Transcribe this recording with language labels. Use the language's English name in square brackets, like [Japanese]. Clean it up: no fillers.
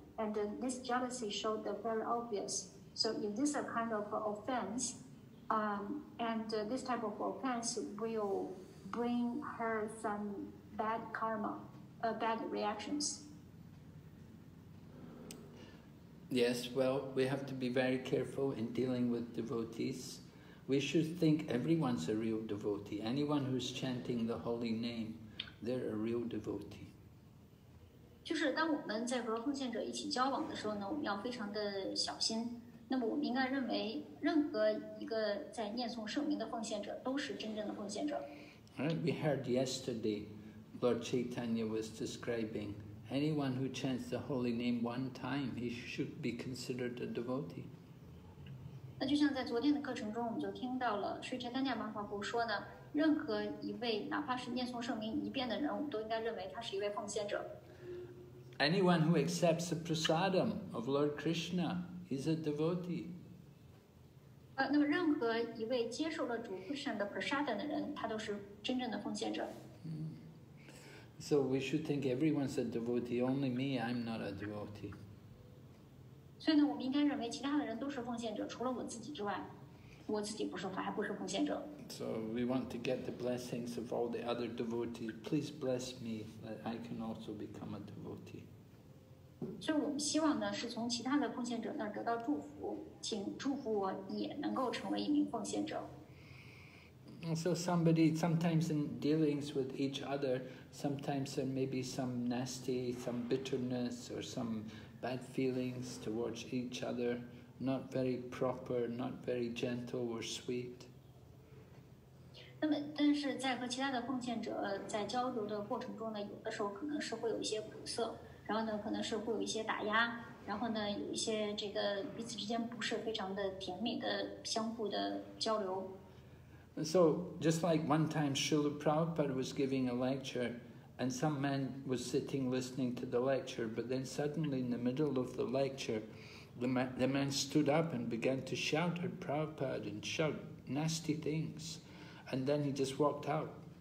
[English] And this jealousy showed them very obvious. So if this is a kind of offense, and this type of offense will bring her some bad karma, bad reactions. Yes, well, we have to be very careful in dealing with devotees. We should think everyone's a real devotee. Anyone who's chanting the holy name, they're a real devotee. [Chinese] 就是当我们在和奉献者一起交往的时候呢，我们要非常的小心。那么我们应该认为任何一个在念诵圣名的奉献者都是真正的奉献者。 [English] We heard yesterday, Lord Chaitanya was describing, anyone who chants the holy name one time, he should be considered a devotee. [Chinese] 那就像在昨天的课程中我们就听到了 Sri Chaitanya Mahaprabhu 说呢，任何一位哪怕是念诵圣名一遍的人，我们都应该认为他是一位奉献者。 [English] Anyone who accepts the prasadam of Lord Krishna is a devotee. [Chinese] 那么任何一位接受了主菩萨的 prasadam 的人，他都是真正的奉献者。 [English] So we should think everyone's a devotee. Only me, I'm not a devotee. [Chinese] 所以呢，我们应该认为其他的人都是奉献者，除了我自己之外，我自己不是，还不是奉献者。 [English] So we want to get the blessings of all the other devotees. Please bless me that I can also become a devotee. [Chinese] 所以我们希望呢，是从其他的奉献者那儿得到祝福，请祝福我也能够成为一名奉献者。 [English] And so somebody, sometimes in dealings with each other, sometimes there may be some nasty, some bitterness or some bad feelings towards each other, not very proper, not very gentle or sweet. [Chinese] 那么但是在和其他的奉献者在交流的过程中呢，有的时候可能是会有一些苦涩，然后呢可能是会有一些打压，然后呢有一些这个彼此之间不是非常的甜美的相互的交流。 [English] So, just like one time Srila Prabhupada was giving a lecture and some man was sitting listening to the lecture, but then suddenly in the middle of the lecture, the man stood up and began to shout at Prabhupada and shout nasty things, and then he just walked out.